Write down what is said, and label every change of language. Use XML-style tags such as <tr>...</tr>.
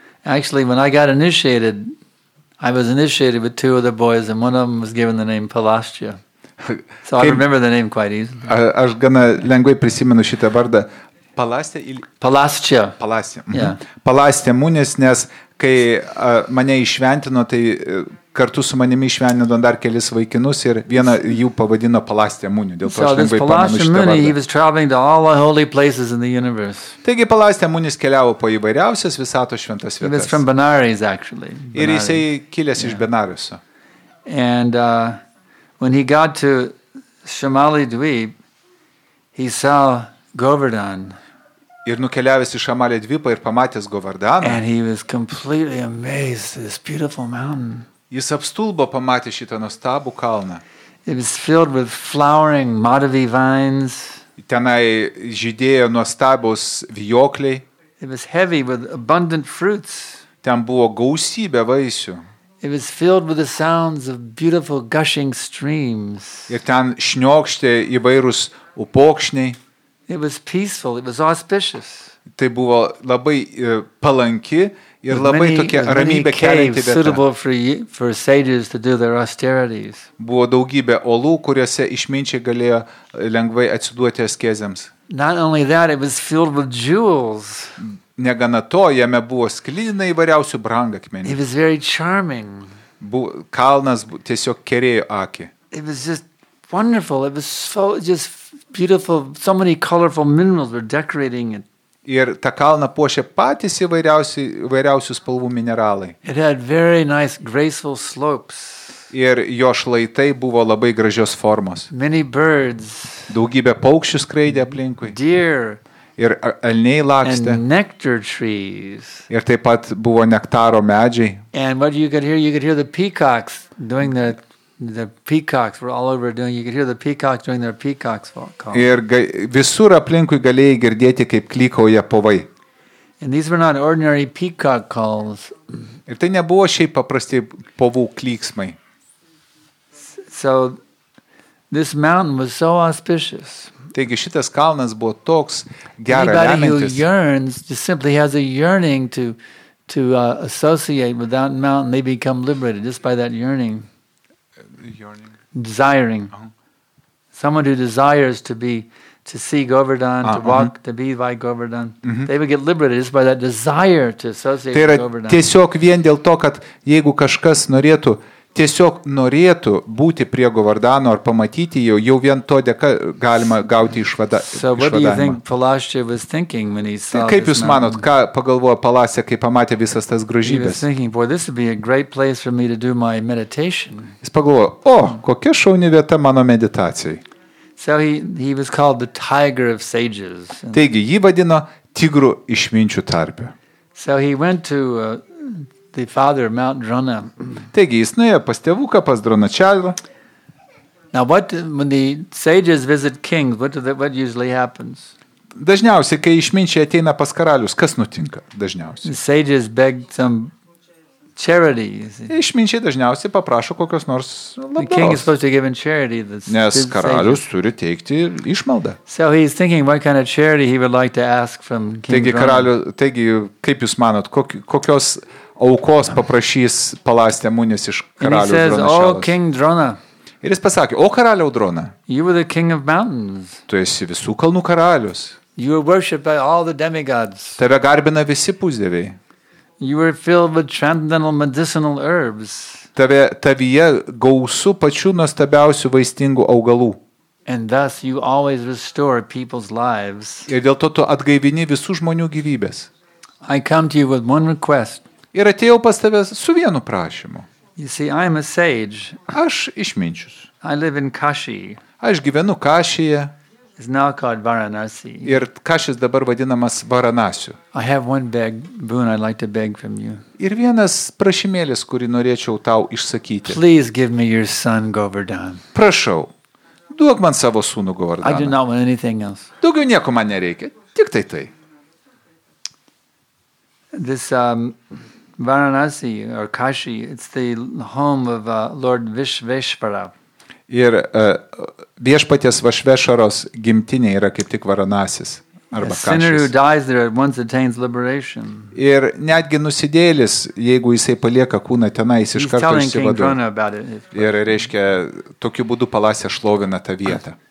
<en>Actually, when I got initiated, I was initiated with two other boys and one of them was given the name Palastra. So I remember the name quite easily.</en> <lt>Aš gana lengvai prisimenu šitą vardą. Palastra ir Palastra. Palastra. Palastra Munis, nes kai mane išventino, tai kartu su manimi išvenino dar kelis vaikinus ir vieną jų pavadino Palastra Muni. Dėl to aš lengvai pamenu šitą vardą. Taigi Palastra Munis keliavo po įvairiausias visato šventas vietas.</lt> <en>From Benares, actually. Benares.</en> <lt>Ir jisai kilęs iš Benariuso.</lt> <en>And when he got to Shamali Dweep, he saw Govardhan.</en> <lt>Ir nukeliavęs į Šamali Dvipą ir pamatęs Govardhaną.</lt> <en>And he was completely amazed, this beautiful mountain.</en> <lt>Jis apstulbo pamatė šitą nuostabų kalną.</lt> <en>It was filled with flowering Madhavi vines.</en> <lt>Tenai žydėjo nuostabūs vijokliai.</lt> <en>It was heavy with abundant fruits.</en> <lt>Ten buvo gausybė vaisių.</lt> <en>It was filled with the sounds of beautiful gushing streams.</en> <lt>Ir ten šniokštė įvairūs upokšniai.</lt> <en>It was peaceful, it was auspicious.</en> <lt>Tai buvo labai palanki ir labai tokia ramybė kelianti vieta. Buvo daugybė olų, kuriuose išminčiai galėjo lengvai atsiduoti askezėms.</lt> <en>Not only that, it was filled with jewels.</en> <lt>Negana to, jame buvo sklidina įvairiausių brangakmenių.</lt> <en>It was very charming.</en> <lt>Kalnas tiesiog kerėjo akį.</lt> <en>It was just wonderful. It was so just beautiful. So many colorful minerals were decorating it.</en> <lt>Ir tą kalną puošė patys įvairiausių spalvų mineralai.</lt> <en>It had very nice, graceful slopes.</en> <lt>Ir jo šlaitai buvo labai gražios formos.</lt> <en>Many birds.</en> <lt>Daugybė paukščių skraidė aplinkui.</lt> <en>Deer.</en> <lt>Ir elniai lakstė.</lt> <en>And nectar trees.</en> <lt>Ir taip pat buvo nektaro medžiai.</lt> <en>And what you could hear the peacocks doing the The peacocks were all over doing. You could hear the peacocks doing their peacocks call.</en> <lt>Ir visur aplinkui galėjai girdėti, kaip klykoja povai.</lt> <en>And these were not ordinary peacock calls.</en> <lt>Ir tai nebuvo šiaip paprasti povų klyksmai.</lt> <en>So this mountain was so auspicious.</en> <lt>Taigi šitas kalnas buvo toks gerai remiantis.</lt> <en>Anybody who yearns just simply has a yearning to associate with that mountain, they become liberated just by that yearning. Desiring. Someone who desires to see Govardhan, to walk, to be by Govardhan, they would get liberated just by that desire to associate</en> <lt>tai yra</lt> <en>with Govardhan.</en> <lt>Tiesiog vien dėl to, kad jeigu kažkas norėtų, tiesiog norėtų būti prie Govardhano ar pamatyti jo, jau vien to dėka galima gauti išvadavimą. So kaip jūs manot, ką pagalvojo Palasya, kai pamatė visas tas grožybės? Jis pagalvojo, o, kokia šauni vieta mano meditacijai.</lt> <en>So he was called the tiger of sages.</en> <lt>Taigi, jį vadino tigru išminčių tarpe.</lt> <en>So he went to the father of Mount Drona.</en> <lt>Taigi, jis nuėjo pas tėvuką, pas Dronačarjo.</lt> <en>Now what when the sages visit kings, what usually happens?</en> <lt>Dažniausiai, kai išminčiai ateina pas karalius, kas nutinka dažniausiai?</lt> <en>The sages beg some charity.</en> <lt>Išminčiai dažniausiai paprašo kokios nors labdaros.</lt> <en>The king is supposed to give in charity.</en> <lt>Nes karalius</lt> <en>sages</en> <lt>turi teikti išmaldą.</lt> <en>So he's thinking what kind of charity he would like to ask from King Drona.</en> <lt>Taigi, karalių, taigi, kaip jūs manot, kokios aukos paprašys Palasya Munis iš karalių</lt> <en>Dronašalos. And he says, o King Drona.</en> <lt>Ir jis pasakė, o karaliau Drona.</lt> <en>You were the king of mountains.</en> <lt>Tu esi visų kalnų karalius.</lt> <en>You were worshipped by all the demigods.</en> <lt>Tave garbina visi pusdieviai.</lt> <en>You were filled with transcendental medicinal herbs.</en> <lt>Tavyje gausu pačių nuostabiausių vaistingų augalų.</lt> <en>And thus you always restore people's lives.</en> <lt>Ir dėl to tu atgaivini visų žmonių gyvybės.</lt> <en>I come to you with one request.</en> <lt>Ir atėjau pas tave su vienu prašymu.</lt> <en>You see, I'm a sage.</en> <lt>Aš išminčius.</lt> <en>I live in Kashi.</en> <lt>Aš gyvenu Kašyje.</lt> <en>It's now called Varanasi.</en> <lt>Ir Kašis dabar vadinamas Varanasiu.</lt> <en>I have one big boon I'd like to beg from you.</en> <lt>Ir vienas prašymėlis, kurį norėčiau tau išsakyti.</lt> <en>Please give me your son Govardhan.</en> <lt>Prašau, duok man savo sūnų Govardhaną.</lt> <en>I do not want anything else.</en> <lt>Daugiau nieko man nereikia, tik tai tai.</lt> <en>This Varanasi or Kashi, it's the home of Lord Vishveshvara.</en> <lt>Ir viešpatės Vašvešaros gimtinė yra kaip tik Varanasis arba Kašis.</lt> <en>A sinner who dies there once attains liberation.</en> <lt>Ir netgi nusidėlis, jeigu jisai palieka kūną tenai, jis iš karto išsivaduoja. Ir reiškia, tokiu būdu Palasya šlovina tą vietą.</lt>